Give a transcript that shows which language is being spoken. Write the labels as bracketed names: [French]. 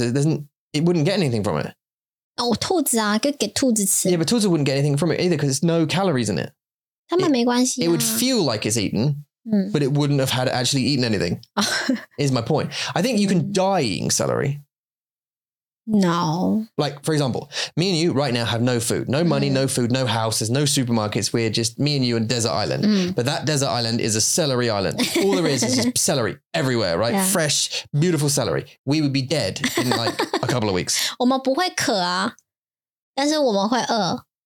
[English] It wouldn't get anything from it. [Chinese] 哦，兔子啊，可以给兔子吃。 [English] Yeah, but 兔子 wouldn't get anything from it either because there's no calories in it. [Chinese] 他们没关系 [English] 啊。It would feel like it's eaten, but it wouldn't have had actually eaten anything, is my point. I think you can die eating celery. No. Like, for example, me and you right now have no food, no money, no food, no houses, no supermarkets. We're just me and you on desert island. But that desert island is a celery island. All there is just celery everywhere, right? Yeah. Fresh, beautiful celery. We would be dead in like a couple of weeks. [Chinese] 我们不会渴啊，但是我们会饿。